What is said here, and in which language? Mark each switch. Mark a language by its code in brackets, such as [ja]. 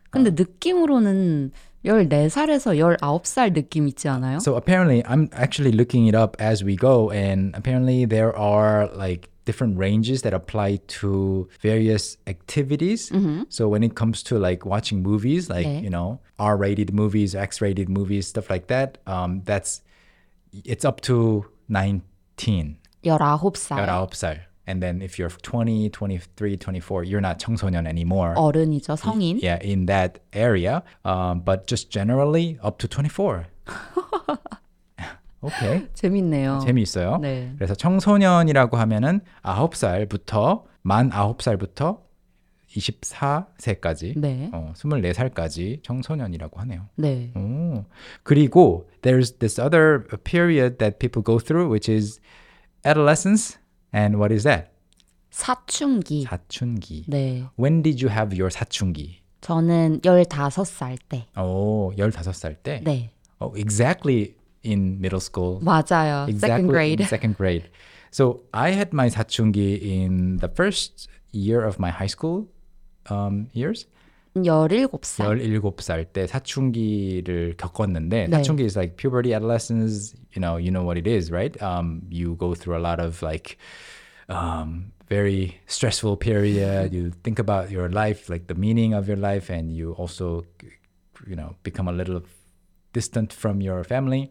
[ko] 근데 느낌으로는 14살에서 19살 느낌 있지 않아요? [en] So apparently, I'm actually looking it up as we go, and apparently there are like different ranges that apply to various activities. Mm-hmm. So when it comes to like watching movies, like, [ko] 네. [en] you know, R-rated movies, X-rated movies, stuff like that, it's up to 19. [ko] 19살. [en] And then if you're 20, 23, 24, you're not 청소년 anymore. [ko] 어른이죠, 성인. [en] Yeah, in that area. But just generally up to 24. Okay. [ko] 재밌네요. 재미있어요. 네. 그래서 청소년이라고 하면은 9살부터 만 9살부터 24세까지 네. 24살까지 청소년이라고 하네요. 네. 오. 그리고 [en] there's this other period that people go through, which is adolescence. And what is that? [ko] 사춘기. 사춘기. 네. [en] When did you have your 사춘기? [ko] 저는 15살 때. 오, 15살 때? 네. [en] Oh, exactly. In middle school. 맞아요. Exactly second grade. In second grade. So I had my 사춘기 in the first year of my high school years. [ko] 17살 때 사춘기를 겪었는데 네. [en] 사춘기 is like puberty, adolescence, you know what it is, right? You go through a lot of like very stressful period. You think about your life, like the meaning of your life, and you also, you know, become a little distant from your family.